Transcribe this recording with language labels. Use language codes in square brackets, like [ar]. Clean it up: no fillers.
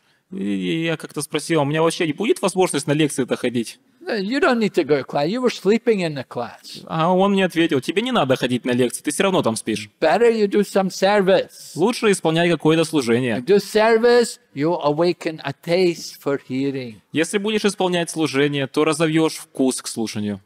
[ru] И я как-то спросил, у меня вообще не будет возможность на лекции-то ходить? А он мне ответил, тебе не надо ходить на лекции, ты все равно там спишь. [en] Better you do some service. [ru] Лучше исполняй какое-то служение. [en] Do service, you awaken a taste for hearing. [ru] Если будешь исполнять служение, то разовьешь вкус к слушанию.